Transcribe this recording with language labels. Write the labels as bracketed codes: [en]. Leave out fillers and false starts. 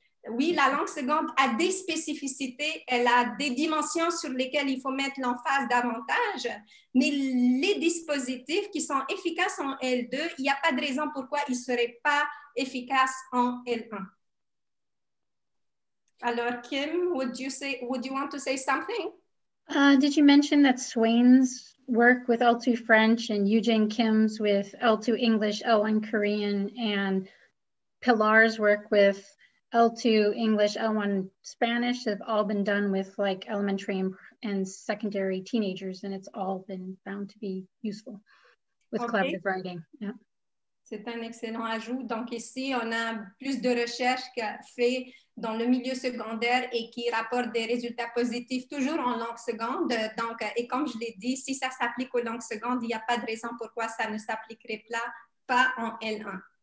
[fr] Oui, la langue seconde a des spécificités, elle a des dimensions sur lesquelles il faut mettre l'emphase davantage, mais les dispositifs qui sont efficaces en L2, il n'y a pas de raison pourquoi ils ne seraient pas efficaces en L1. [en] Alors, Kim, would you want to say something? Did you mention that Swain's work with L2 French and Eugene Kim's with L2 English, L1 Korean, and Pilar's work with L2 English, L1 Spanish have all been done with like elementary and secondary teenagers, and it's all been found to be useful with collaborative writing. Yeah. [fr] C'est un excellent ajout. Donc ici, on a plus de recherches qu'a fait dans le milieu secondaire et qui rapportent des résultats positifs toujours en langue seconde. Donc, et comme je l'ai dit, si ça s'applique aux langues secondes, il n'y a pas de raison pourquoi ça ne s'appliquerait pas en L1.